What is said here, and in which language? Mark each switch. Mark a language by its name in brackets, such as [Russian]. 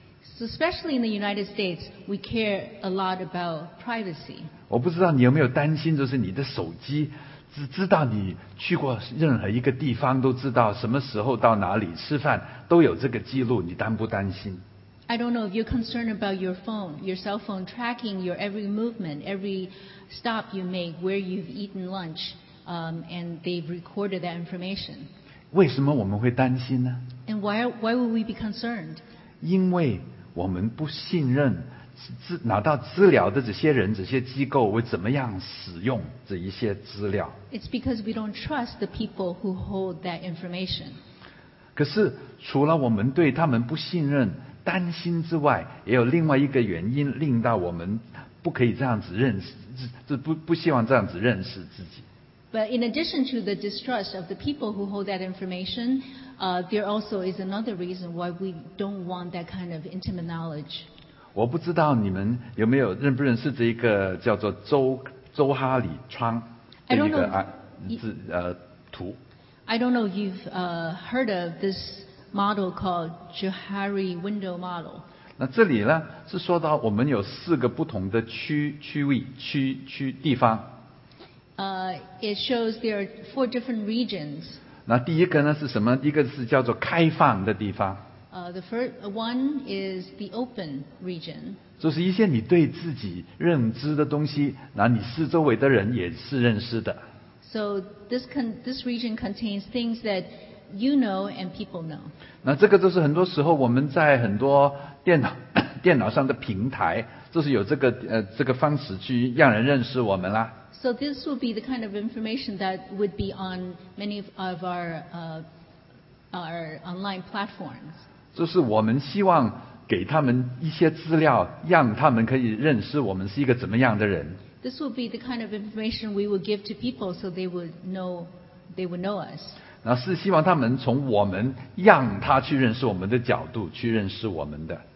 [English] So especially in the United States, we care a lot about privacy. [Chinese] 我不知道你有没有担心，就是你的手机知道你去过任何一个地方，都知道什么时候到哪里吃饭，都有这个记录，你担不担心？ [English] I don't know if you're concerned about your phone, your cell phone tracking your every movement, every stop you make, where you've eaten lunch, and they've recorded that information. [Chinese] 为什么我们会担心呢？ [English] And why would we be concerned? [Chinese] 因为我们不信任拿到资料的这些人、这些机构会怎么样使用这一些资料。 [English] It's because we don't trust the people who hold that information. [Chinese] 可是除了我们对他们不信任、担心之外，也有另外一个原因令到我们不可以这样子认识，不希望这样子认识自己。 [English] But in addition to the distrust of the people who hold that information, there also is another reason why we don't want that kind of intimate knowledge. [Chinese] 我不知道你们有没有认不认识这一个叫做周哈里窗的一个图。 [English] I don't know if you've heard of this model called Johari window model. [Chinese] 那这里呢是说到我们有四个不同的区域地方。 [English] It shows there are four different regions. [Chinese] 那第一个呢是什么？第一个是叫做开放的地方。 [English] The first one is the open region. [Chinese] 就是一些你对自己认知的东西，那你四周围的人也是认识的。 [English] So this region contains things that you know and people know. [Chinese] 那这个就是很多时候我们在很多电脑上的平台，就是有这个方式去让人认识我们啦。 [English] So this would be the kind of information that would be on many of our online platforms. [Chinese] 就是我们希望给他们一些资料，让他们可以认识我们是一个怎么样的人。 [English] This would be the kind of information we would give to people so they would know us. [Chinese] 那是希望他们从我们让他去认识我们的角度去认识我们的。